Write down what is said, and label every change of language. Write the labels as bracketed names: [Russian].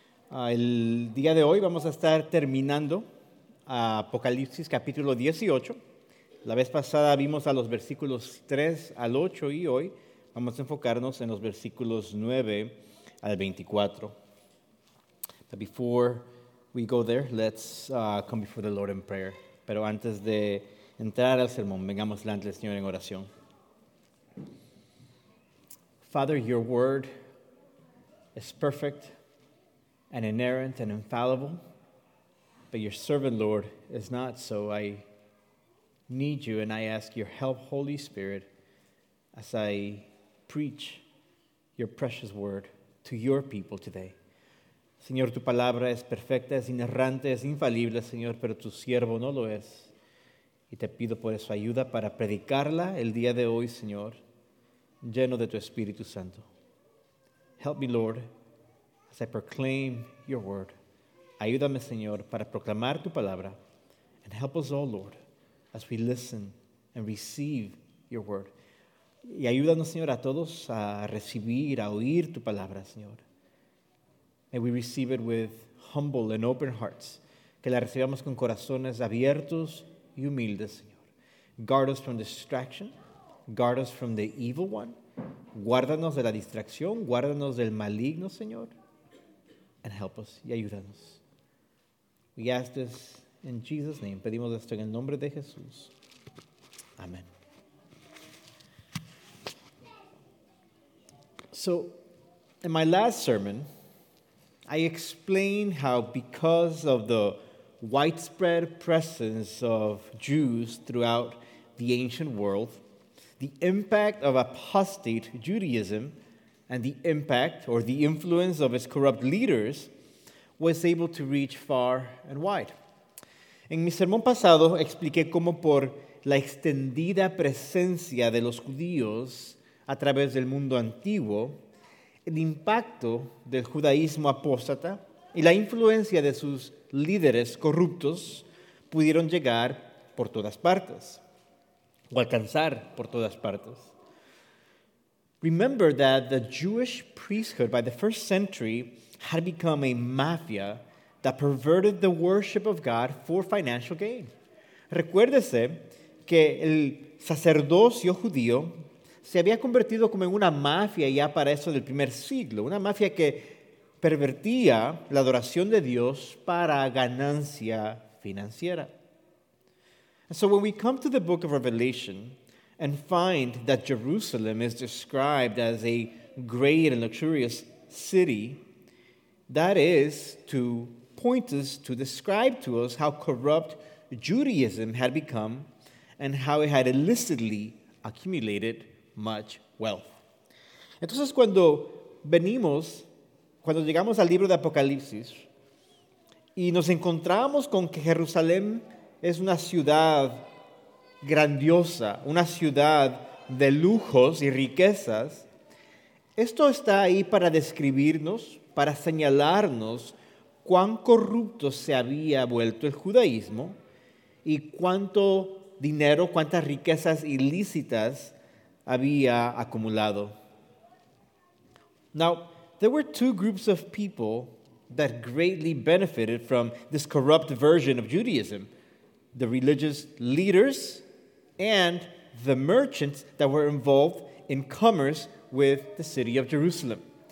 [Spanish] El día de hoy vamos a estar terminando Apocalipsis capítulo 18. La vez pasada vimos a los versículos 3 al 8 y hoy vamos a enfocarnos en los versículos 9 al 24. [English] But before we go there, let's come before the Lord in prayer. [Spanish] Pero antes de entrar al sermón, vengamos delante del Señor en oración. [English] Father, your word is perfect and inerrant and infallible, but your servant, Lord, is not so. I need you and I ask your help, Holy Spirit, as I preach your precious word to your people today. [Spanish] Señor, tu palabra es perfecta, es inerrante, es infalible, Señor, pero tu siervo no lo es. Y te pido por eso ayuda para predicarla el día de hoy, Señor, lleno de tu Espíritu Santo. [English] Help me, Lord, as I proclaim your word. [Spanish] Ayúdame, Señor, para proclamar tu palabra. [English] And help us all, Lord, as we listen and receive your word. [Spanish] Y ayúdanos, Señor, a todos a recibir, a oír tu palabra, Señor. [English] May we receive it with humble and open hearts. [Spanish] Que la recibamos con corazones abiertos y humildes, Señor. [English] Guard us from distraction. Guard us from the evil one. [Spanish] Guárdanos de la distracción. Guárdanos del maligno, Señor. [English] And help us. [Spanish] Y ayúdanos. [English] We ask this in Jesus' name. [Spanish] Pedimos esto en el nombre de Jesús. [English] Amen. So, in my last sermon, I explained how because of the widespread presence of Jews throughout the ancient world, the impact of apostate Judaism and the impact or the influence of its corrupt leaders was able to reach far and wide. [Spanish] En mi sermón pasado expliqué cómo por la extendida presencia de los judíos a través del mundo antiguo, el impacto del judaísmo apóstata y la influencia de sus líderes corruptos pudieron llegar por todas partes, o alcanzar por todas partes. [English] Remember that the Jewish priesthood by the first century had become a mafia that perverted the worship of God for financial gain. [Spanish] Recuérdese que el sacerdocio judío se había convertido como en una mafia ya para eso del primer siglo, una mafia que pervertía la adoración de Dios para ganancia financiera. [English] And so when we come to the book of Revelation and find that Jerusalem is described as a great and luxurious city, that is to point us to describe to us how corrupt Judaism had become and how it had illicitly accumulated much wealth. [Spanish] Entonces, cuando llegamos al libro de Apocalipsis y nos encontramos con que Jerusalén es una ciudad grandiosa, una ciudad de lujos y riquezas, esto está ahí para describirnos, para señalarnos cuán corrupto se había vuelto el judaísmo y cuánto dinero, cuántas riquezas ilícitas había acumulado. [English] Now, there were two groups of people that greatly benefited from this corrupt version of Judaism: the religious leaders and the merchants that were involved in commerce with the city of Jerusalem.